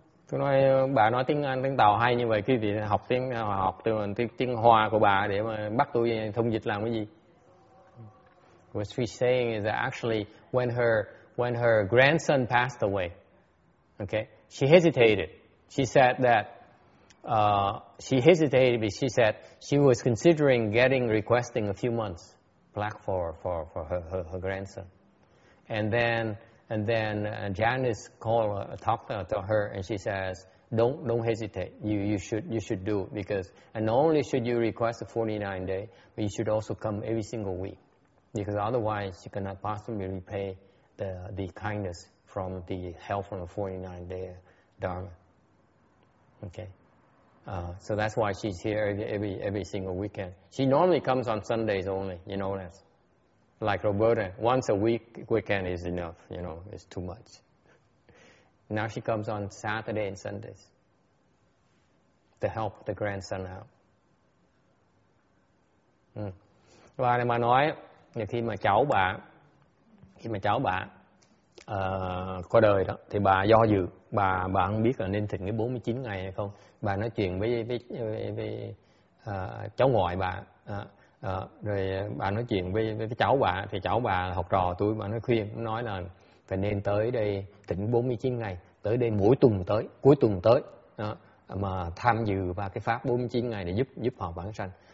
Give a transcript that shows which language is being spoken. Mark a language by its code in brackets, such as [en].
[vi] Tôi nói bà nói tiếng Anh, tiếng Tàu hay như vậy, quý vị học tiếng học tiếng Hoa của bà để mà bắt tôi thông dịch làm cái gì? [en] What she's saying is that actually when her grandson passed away, okay, she hesitated. She said that she said she was considering requesting a few months black for her grandson, and then Janice talked to her, and she says, don't hesitate, you should do it, because, and not only should you request a 49 day, but you should also come every single week, because otherwise you cannot possibly repay the kindness from the help from the 49 day dharma. Okay. So that's why she's here every single weekend. She normally comes on Sundays only, you know that. Like Roberta, once a weekend is enough, you know, it's too much. Now she comes on Saturday and Sundays to help the grandson out. [vi] Và để mà nói, khi mà cháu bà có đời đó, thì bà do dự, bà không biết là nên thỉnh cái 49 ngày hay không. Bà nói chuyện với cháu ngoại bà, rồi bà nói chuyện với cháu bà, thì cháu bà học trò tôi, bà nói khuyên, nói là phải nên tới đây thỉnh 49 ngày, tới đây mỗi tuần tới, cuối tuần tới, mà tham dự vào cái pháp 49 ngày để giúp họ vãng sanh.